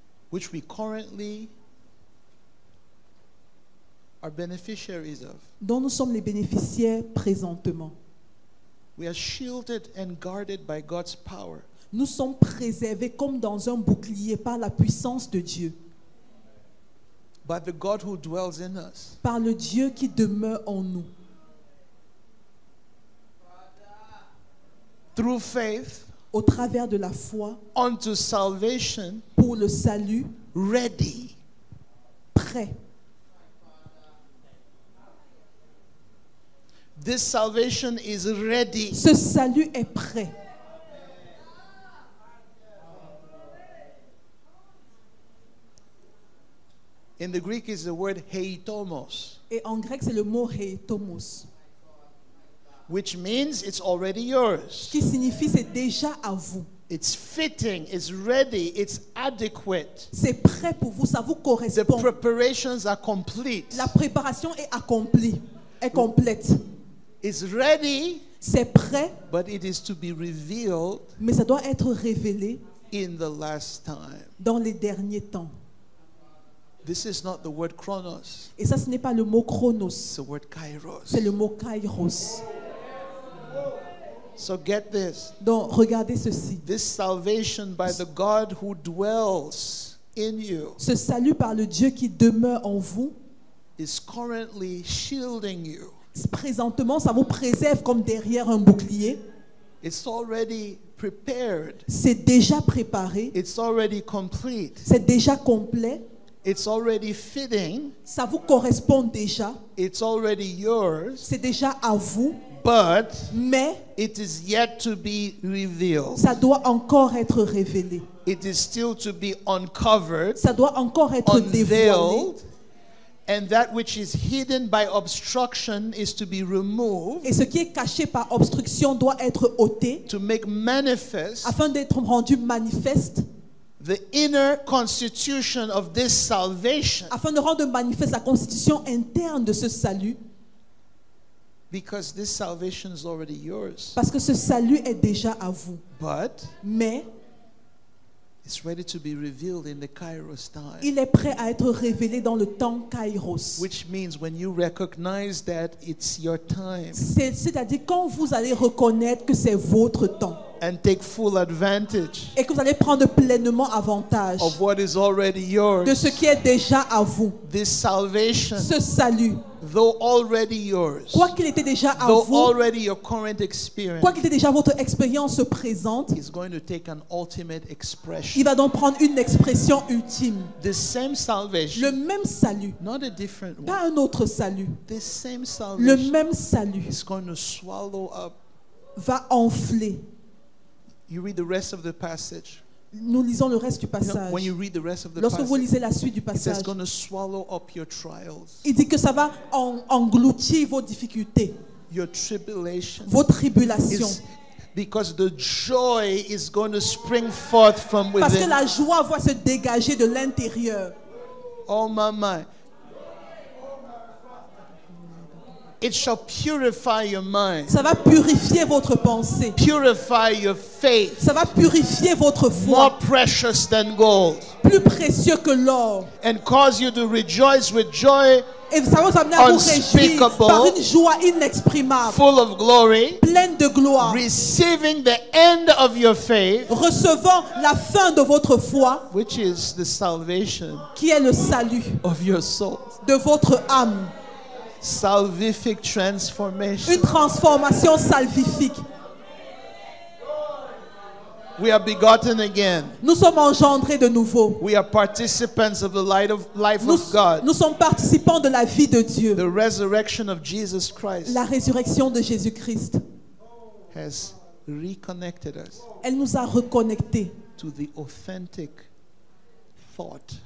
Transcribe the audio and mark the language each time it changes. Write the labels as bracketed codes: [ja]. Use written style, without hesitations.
[en] which we currently are beneficiaries of, [fr] dont nous sommes les bénéficiaires présentement, [en] we are shielded and guarded by God's power. [fr] Nous sommes préservés comme dans un bouclier par la puissance de Dieu. [en] By the God who dwells in us. [fr] Par le Dieu qui demeure en nous. [en] Through faith, [fr] au travers de la foi, [en] unto salvation, [fr] pour le salut, [en] ready, [fr] prêt. [en] This salvation is ready. [fr] Ce salut est prêt. [en] In the Greek is the word heitomos. [fr] Et en grec c'est le mot heitomos. [en] Which means it's already yours. [fr] Qui signifie c'est déjà à vous. [en] It's fitting, it's ready, it's adequate. [fr] C'est prêt pour vous, ça vous correspond. [en] The preparations are complete. [fr] La préparation est accomplie, est complète. [en] It's ready. [fr] C'est prêt. [en] But it is to be revealed. [fr] Mais ça doit être révélé. [en] In the last time. [fr] Dans les derniers temps. [en] This is not the word chronos. [fr] Et ça ce n'est pas le mot chronos. [en] It's the word kairos. [fr] C'est le mot kairos. [en] So get this. [fr] Donc regardez ceci. [en] This salvation by the God who dwells in you. [fr] Ce salut par le Dieu qui demeure en vous. [en] Is currently shielding you. [fr] Présentement, ça vous préserve comme derrière un bouclier. [en] It's already prepared. [fr] C'est déjà préparé. [en] It's already complete. [fr] C'est déjà complet. [en] It's already fitting. [fr] Ça vous correspond déjà. [en] It's already yours. [fr] C'est déjà à vous. [en] But [fr] mais [en] it is yet to be revealed. [fr] Ça doit encore être révélé. [en] It is still to be uncovered. [fr] Ça doit encore être [en] unveiled, [fr] dévoilé. [en] And that which is hidden by obstruction is to be removed. [fr] Et ce qui est caché par obstruction doit être ôté. [en] To make manifest. [fr] Afin d'être rendu manifeste. [en] The inner constitution of this salvation. [fr] Afin de rendre manifeste la constitution interne de ce salut. [en] Because this salvation is already yours. [fr] Parce que ce salut est déjà à vous. [en] But [fr] mais [en] It's ready to be revealed in the Kairos time. [fr] Il est prêt à être révélé dans le temps Kairos. [en] Which means when you recognize that it's your time. [fr] C'est-à-dire quand vous allez reconnaître que c'est votre temps. [en] And take full advantage. [fr] Et que vous allez prendre pleinement avantage. [en] Of what is already yours. [fr] De ce qui est déjà à vous. [en] This salvation. [fr] Ce salut. [en] Though already yours. [fr] Quoi qu'il était déjà à [en] though [fr] vous. [en] Already your current experience. [fr] Quoi qu'il était déjà votre expérience présente. [en] Is going to take an ultimate expression. [fr] Il va donc prendre une expression ultime. [en] The same salvation. [fr] Le même salut. [en] Not a different one. [fr] Pas un autre salut. [en] The same salvation. [fr] Le même salut. [en] Is going to swallow up. [fr] Va enfler. [en] You read the rest of the passage. [fr] Nous lisons le reste du passage. [en] You know, when you read the rest of the [fr] lorsque [en] passage, [fr] vous lisez la suite du passage, [en] it's going to swallow up your trials. [fr] Il dit que ça va engloutir vos difficultés. [en] Your tribulations. [fr] Vos tribulations. [en] Because the joy is going to spring forth from within. [fr] Parce que la joie va se dégager de l'intérieur. [en] Oh mama. It shall purify your mind. [fr] Ça va purifier votre pensée. [en] Purify your faith. [fr] Ça va purifier votre foi. [en] More precious than gold. [fr] Plus précieux que l'or. [en] And cause you to rejoice with joy. [fr] Et ça va vous amener à vous réjouir par une joie inexprimable. [en] Full of glory. [fr] Pleine de gloire. [en] Receiving the end of your faith. [fr] Recevant la fin de votre foi. [en] Which is the salvation. [fr] Qui est le salut. [en] Of your soul. [fr] De votre âme. [en] Salvific transformation. [fr] Une transformation salvifique. [en] We are begotten again. [fr] Nous sommes engendrés de nouveau. [en] We are participants of the light of life of God. [fr] Nous sommes participants de la vie de Dieu. [en] The resurrection of Jesus Christ. [fr] La résurrection de Jésus-Christ. [en] Has reconnected us. [fr] Elle nous a reconnectés. [en] To the authentic thought.